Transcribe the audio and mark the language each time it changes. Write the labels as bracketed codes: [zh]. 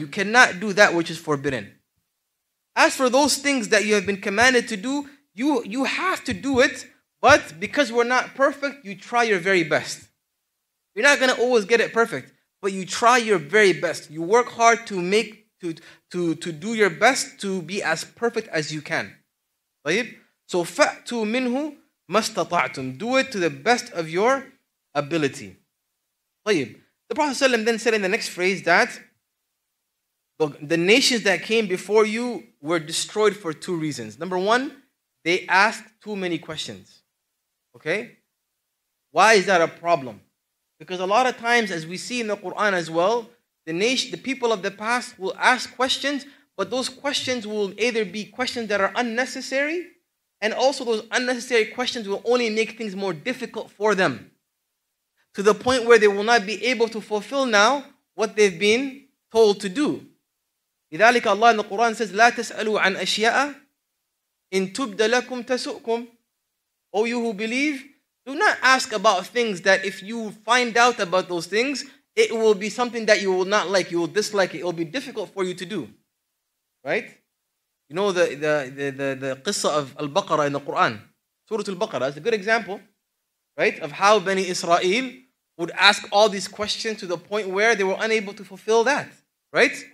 [en] You cannot do that which is forbidden. As for those things that you have been commanded to do, you have to do it, but because we're not perfect, you try your very best. You're not going to always get it perfect, but you try your very best. You work hard to make to do your best to be as perfect as you can. So [ar] فَأْتُوا مِنْهُ مَسْتَطَعْتُمْ. [en] Do it to the best of your ability. The Prophet ﷺ then said in the next phrase that the nations that came before you were destroyed for two reasons. Number one, they asked too many questions. Okay? Why is that a problem? Because a lot of times, as we see in the Quran as well, the people of the past will ask questions, but those questions will either be questions that are unnecessary, and also those unnecessary questions will only make things more difficult for them, to the point where they will not be able to fulfill now what they've been told to do. [ar] لذلك [en] Allah in the Quran says, [ar] لا تسألوا عن أشياء إن تبد لكم تسؤكم. [en] O you who believe, do not ask about things that if you find out about those things, it will be something that you will not like, you will dislike it, it will be difficult for you to do. Right? You know the qissa of Al-Baqarah in the Quran. Surah Al-Baqarah is a good example, right? Of how Bani Israel would ask all these questions to the point where they were unable to fulfill that. Right?